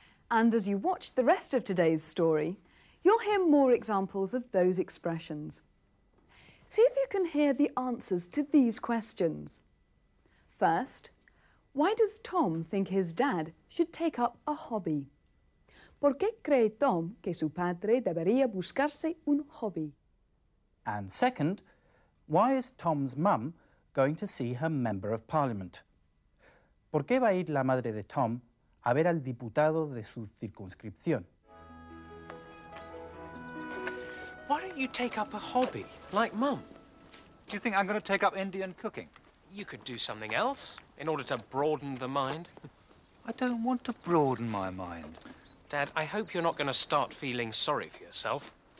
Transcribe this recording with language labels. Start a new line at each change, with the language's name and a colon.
English: And as you watch the rest of today's story, you'll hear more examples of those expressions. See if you can hear the answers to these questions. First, why does Tom think his dad should take up a hobby?
Spanish: ¿Por qué cree Tom que su padre debería buscarse un hobby?
English: And second, why is Tom's mum going to see her Member of Parliament?
Spanish: ¿Por qué va a ir la madre de Tom a ver al diputado de su circunscripción?
English: Why don't you take up a hobby, like mum? Do you think I'm going to take up Indian cooking? You could do something else in order to broaden the mind. I don't want to broaden my mind. Dad, I hope you're not going to start feeling sorry for yourself.